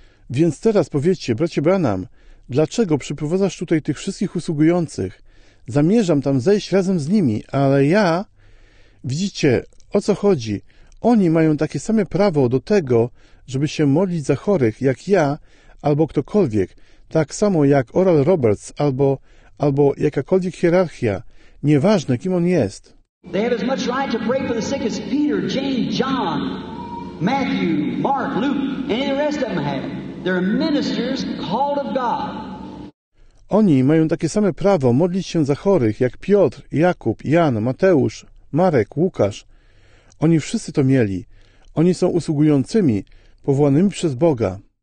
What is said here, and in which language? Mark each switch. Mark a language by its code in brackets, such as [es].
[pl] Więc teraz powiedzcie, bracie Branham, dlaczego przyprowadzasz tutaj tych wszystkich usługujących? Zamierzam tam zejść razem z nimi, ale ja... Widzicie, o co chodzi? Oni mają takie same prawo do tego, żeby się modlić za chorych, jak ja albo ktokolwiek, tak samo jak Oral Roberts albo jakakolwiek hierarchia, nieważne kim on jest. [en] They have as much right to pray for the sick as Peter, James, John, Matthew, Mark, Luke, and the rest of them have. They're ministers called of God. [pl] Oni mają takie same prawo modlić się za chorych, jak Piotr, Jakub, Jan, Mateusz, Marek, Łukasz. Oni wszyscy to mieli. Oni są usługującymi, powołanymi przez Boga.